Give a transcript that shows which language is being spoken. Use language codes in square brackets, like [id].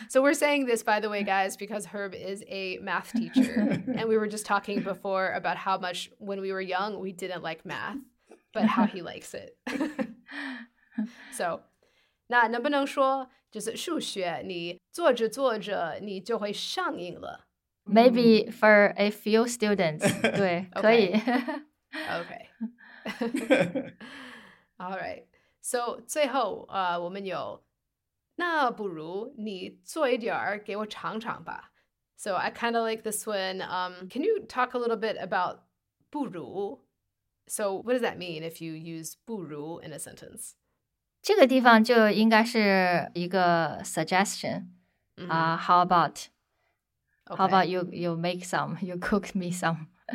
[en] So we're saying this, by the way, guys, because Herb is a math teacher. And we were just talking before about how much, when we were young, we didn't like math, but how he likes it. So, [zh] 那能不能说就是数学你做着做着你就会上瘾了。 [en] Maybe for a few students, [zh] 对，可以。 [en] Okay. All right. So, [zh] 最后，我们有，那不如你做一点儿给我尝尝吧。 [en] So I kind of like this one. Can you talk a little bit about 不如? So what does that mean if you use 不如 in a sentence? [zh] 这个地方就应该是一个 suggestion. Mm-hmm. [en] How about, okay. How about you make some, you cook me some.